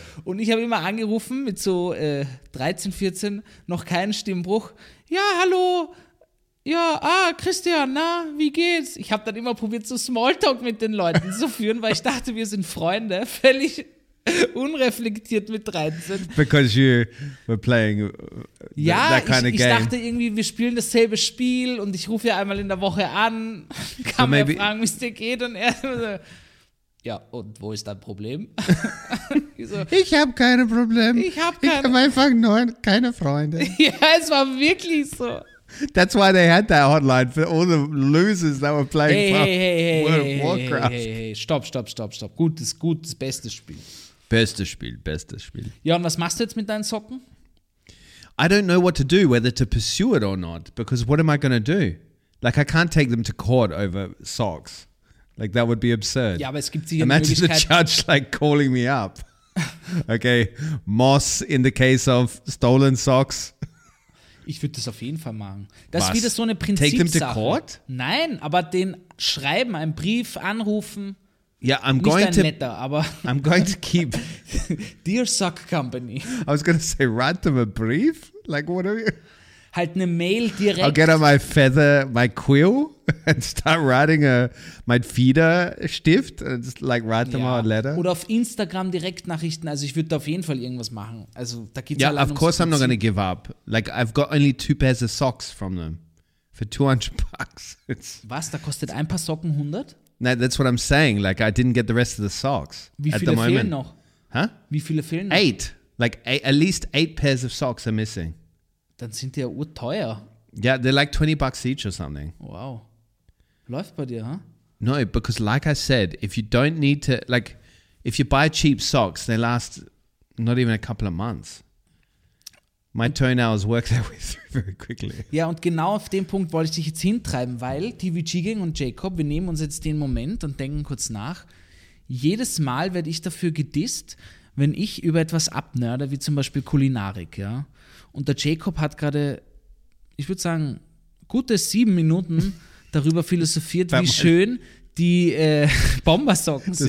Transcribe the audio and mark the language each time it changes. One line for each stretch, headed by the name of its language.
German: Und ich habe immer angerufen mit so 13, 14, noch keinen Stimmbruch. Ja, hallo. Ja, Christian, na, wie geht's? Ich habe dann immer probiert, so Smalltalk mit den Leuten zu führen, weil ich dachte, wir sind Freunde, völlig unreflektiert mit 13.
English: Because you were playing that kind of game.
German: Ja, ich dachte irgendwie, wir spielen dasselbe Spiel und ich rufe ja einmal in der Woche an, kann mir fragen, wie es dir geht. Und er so, ja, und wo ist dein Problem? Ich habe keine Probleme. Ich habe einfach nur keine Freunde. Ja, es war wirklich so.
English: That's why they had that hotline for all the losers that were playing World of Warcraft.
German: Stopp. Gutes, bestes Spiel. Bestes Spiel. Ja, und was machst du jetzt mit deinen Socken?
English: I don't know what to do, whether to pursue it or not, because what am I going to do? Like, I can't take them to court over socks. Like, that would be absurd.
German: Ja, aber es gibt sicher Möglichkeiten.
English: Imagine the judge, like, calling me up. Okay, Moss in the case of stolen socks.
German: Ich würde das auf jeden Fall machen. Das ist wieder so eine Prinzipsache.
English: Take them to court?
German: Nein, aber den schreiben, einen Brief anrufen.
English: Ja, yeah, I'm going
German: nicht ein Letter, aber
English: I'm going to keep Dear Sock Company. I was going to say, write them a brief? Like, what are you?
German: Halt eine Mail direkt.
English: I'll get on my feather, my quill and start writing my feeder Stift and just like write them a letter.
German: Oder auf Instagram direkt Nachrichten. Also ich würde da auf jeden Fall irgendwas machen. Also da geht's
English: ja, of course I'm not going to give up. Like I've got only 2 pairs of socks from them for $200.
German: Was? Da kostet ein paar Socken 100?
English: No, that's what I'm saying. Like I didn't get the rest of the socks.
German: Wie viele fehlen noch? Huh? Wie viele fehlen noch? 8.
English: Like at least 8 pairs of socks are missing.
German: Dann sind die ja urteuer.
English: Yeah, they're like $20 each or something.
German: Wow. Läuft bei dir, huh?
English: No, because like I said, if you don't need to, like, if you buy cheap socks, they last not even a couple of months. My toenails work their way through very quickly.
German: Ja, und genau auf den Punkt wollte ich dich jetzt hintreiben, weil TVG Gang und Jacob, wir nehmen uns jetzt den Moment und denken kurz nach. Jedes Mal werde ich dafür gedisst, wenn ich über etwas abnerde, wie zum Beispiel Kulinarik, ja. Und der Jacob hat gerade, ich würde sagen, gute 7 Minuten darüber philosophiert, wie schön die Bombersocken sind.